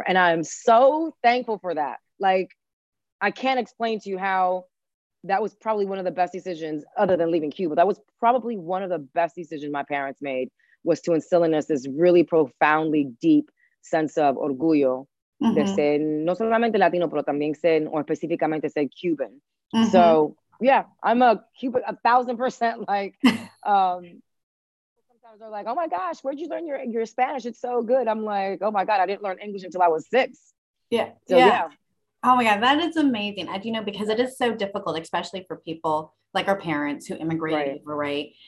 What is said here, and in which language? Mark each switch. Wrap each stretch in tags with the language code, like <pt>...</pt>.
<en>And I'm so thankful for that. Like, I can't explain to you how that was probably one of the best decisions other than leaving Cuba. That was probably one of the best decisions my parents made, was to instill in us this really profoundly deep sense of orgullo.</en> <es>De ser no solamente Latino, pero también ser, o específicamente ser Cuban.</es> <en>So yeah, I'm a Cuban 1,000%. Like, sometimes they're like, oh my gosh, where'd you learn your Spanish? It's so good. I'm like, oh my God, I didn't learn English until I was six. Yeah. Oh my God, that is amazing. I do know, because it is so difficult, especially for people like our parents who immigrated over, right?</en>